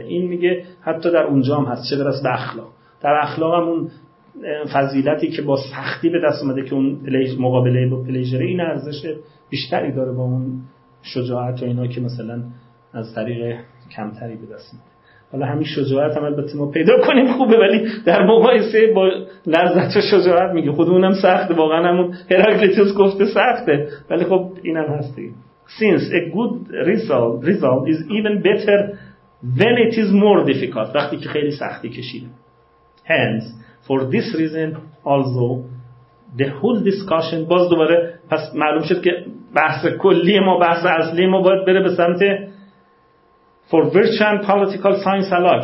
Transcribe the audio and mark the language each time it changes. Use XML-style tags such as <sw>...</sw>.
<fa>این میگه حتی در اونجا هم هست، چه برسه به اخلاق. در اخلاق هم اون فضیلتی که با سختی به دست اومده که اون مقابله با پلیجر، این ارزش بیشتری داره با اون شجاعت و اینا که مثلا از طریق کمتری به دست میده. حالا همین شجاعت هم البته ما پیدا کنیم خوبه، ولی در مقایسه با لذت و شجاعت میگه خودمونم سخته، واقعا همون هراکلیتوس گفته سخته، ولی خب اینم هستی.</fa> <en>Since a good result is even better when it is more difficult.</en> <fa>وقتی که خیلی سختی کشیدیم.</fa> <en>Hence, for this reason also, the whole discussion.</en> <fa>باز دوباره پس معلوم شد که بحث کلی ما، بحث اصلی ما باید بره به سمت</fa> <en>for virtue and political science alike.</en>